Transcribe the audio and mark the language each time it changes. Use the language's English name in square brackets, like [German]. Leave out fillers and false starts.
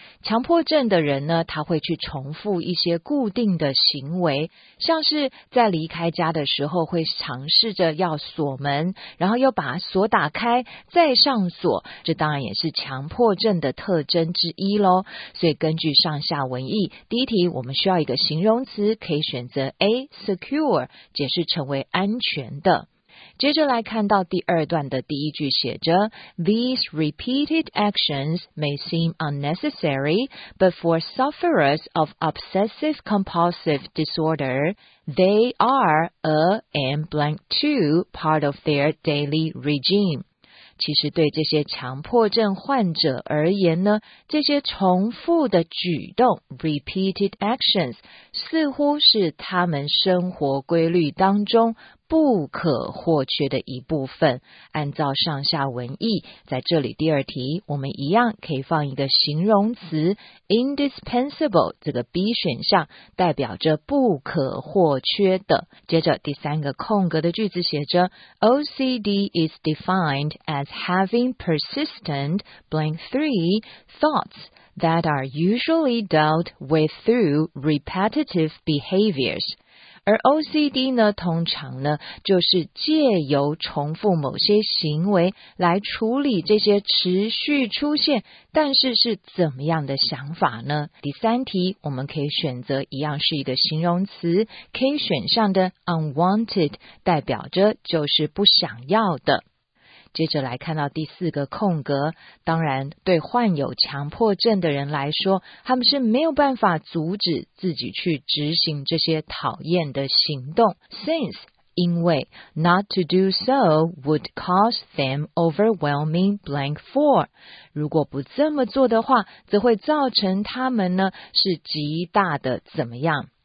[Chinese] 强迫症的人呢，他会去重复一些固定的行为，像是在离开家的时候会尝试着要锁门，然后又把锁打开再上锁，这当然也是强迫症的特征之一咯。所以根据上下文意，第一题我们需要一个形容词，可以选择 A, secure, 解释成为安全的。接着来看到第二段的第一句写着 [English] These repeated actions may seem unnecessary, but for sufferers of obsessive compulsive disorder, they are a and blank too part of their daily regime. [Chinese] 其实对这些强迫症患者而言呢，这些重复的举动 [English] repeated actions [Chinese] 似乎是他们生活规律当中不可或缺的一部分。按照上下文意，在这里第二题我们一样可以放一个形容词 indispensable， 这个 B 选项代表着不可或缺的。接着第三个空格的句子写着 [English] OCD is defined asHaving persistent blank three thoughts that are usually dealt with through repetitive behaviors. [Chinese] 而 OCD 呢，通常呢，就是借由重复某些行为来处理这些持续出现，但是是怎么样的想法呢？第三题，我们可以选择一样是一个形容词 ，K 选项的 unwanted 代表着就是不想要的。接着来看到第四个空格，当然对患有强迫症的人来说，他们是没有办法阻止自己去执行这些讨厌的行动。 [English] Since, [Chinese] 因为 [English] not to do so would cause them overwhelming blank four. [Chinese] 如果不这么做的话，则会造成他们呢是极大的怎么样。